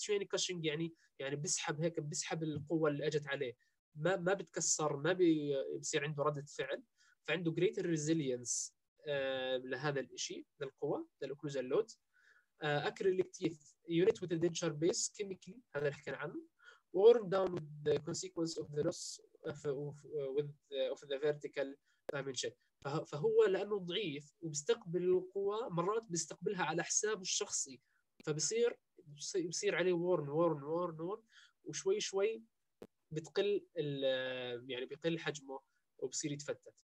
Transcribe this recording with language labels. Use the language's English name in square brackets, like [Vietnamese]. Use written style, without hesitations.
[Arabic] شو يعني كاشينج؟ يعني بسحب هيك بسحب القوة اللي أجت عليه، ما بتكسر، ما بيصير عنده ردة فعل، فعنده [English] greater resilience [Arabic] لهذا الإشي للقوة للأوكلوجن لود. [English] acrylic teeth unit with the denture base chemically [Arabic] هذا اللي حكينا عنه. [English] worn down with the consequence of the loss of the vertical dimension. [Arabic] فهو لأنه ضعيف وبيستقبل القوى مرات بيستقبلها على حسابه الشخصي، فبصير عليه worn وشوي شوي بتقل يعني بيقل حجمه وبصير يتفتت.